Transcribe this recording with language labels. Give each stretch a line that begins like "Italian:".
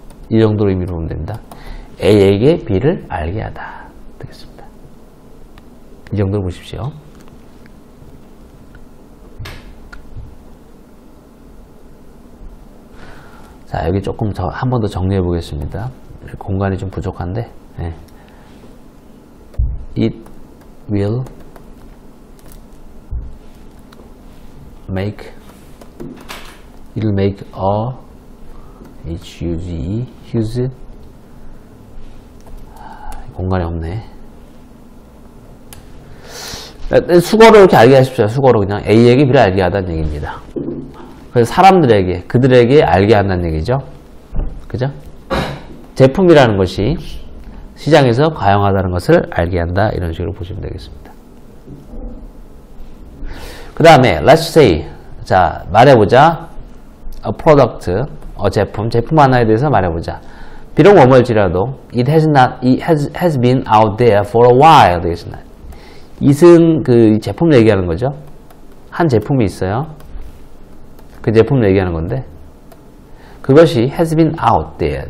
Korean: 이 정도로 의미로 보면 됩니다. A에게 B를 알게 하다. 되겠습니다. 이 정도로 보십시오. 자, 여기 조금 더, 한번더 정리해 보겠습니다. 공간이 좀 부족한데, 예.
English: It will make a huge
Korean: 공간이 없네. 수거로 이렇게 알게 하십시오. 수거로 그냥 A에게 B를 알게 하다는 얘기입니다. 그래서 사람들에게 그들에게 알게 한다는 얘기죠. 그죠? 제품이라는 것이 시장에서 가용하다는 것을 알게 한다 이런 식으로 보시면 되겠습니다. 그 다음에
English: Let's say
Korean: 자, 말해보자.
English: A product,
Korean: 제품 하나에 대해서 말해보자. 비록 머물지라도,
English: it has been out there for a while.
Korean: 되겠습니다. It은 그 제품 얘기하는 거죠. 한 제품이 있어요. 그 제품 얘기하는 건데, 그것이
English: has been out there.